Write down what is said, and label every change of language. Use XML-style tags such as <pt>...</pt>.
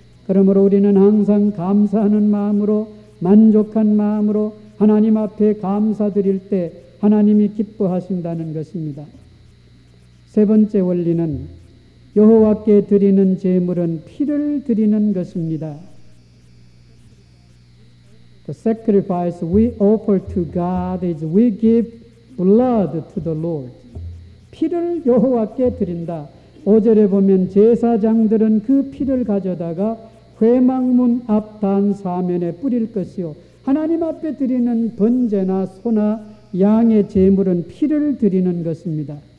<ko>그러므로 우리는 항상 감사하는 마음으로, 만족한 마음으로 하나님 앞에 감사드릴 때 하나님이 기뻐하신다는 것입니다. 세 번째 원리는 여호와께 드리는 제물은 피를 드리는 것입니다.</ko> <en>The sacrifice we offer to God is we give blood to the Lord.</en> <ko>피를 여호와께 드린다. 5절에 보면 제사장들은 그 피를 가져다가 회막문 앞 단 사면에 뿌릴 것이요. 하나님 앞에 드리는 번제나 소나 양의 제물은 피를 드리는 것입니다.</ko>